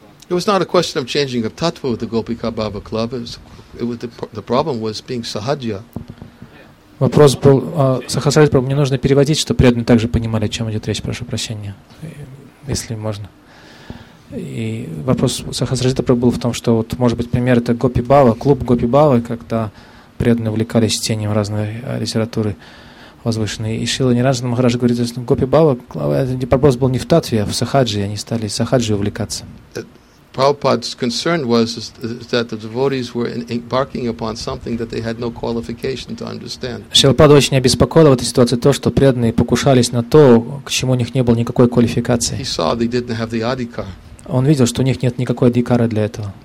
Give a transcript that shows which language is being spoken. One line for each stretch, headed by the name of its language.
English: It was not a question of changing of tattva with the Gopika Bhava Club. The problem was being sahajya.
Russian: Вопрос был сахасрайд проблем. Мне нужно переводить, чтобы преданные также понимали, о чем идет речь. Прошу прощения, если можно. И вопрос сахасрайд проблем был в том, что вот, может быть, пример это Гопи Бхава, клуб Гопи Бхавы, когда преданные увлекались чтением разной литературы возвышенной. И Шрила Ниранджана Махарадж говорит, что Гопи Бхава, вопрос был не в таттве, а в сахаджи, они стали сахаджи увлекаться.
English: Prabhupada's concern was that the devotees were embarking upon something that they had no qualification to understand.
Russian: Шрилапада очень обеспокоило в этой ситуации то, что преданные покушались на то, к чему у них не было никакой квалификации.
English: He saw they didn't have the adhikar.
Russian: Он видел, что у них нет никакой адикара для этого.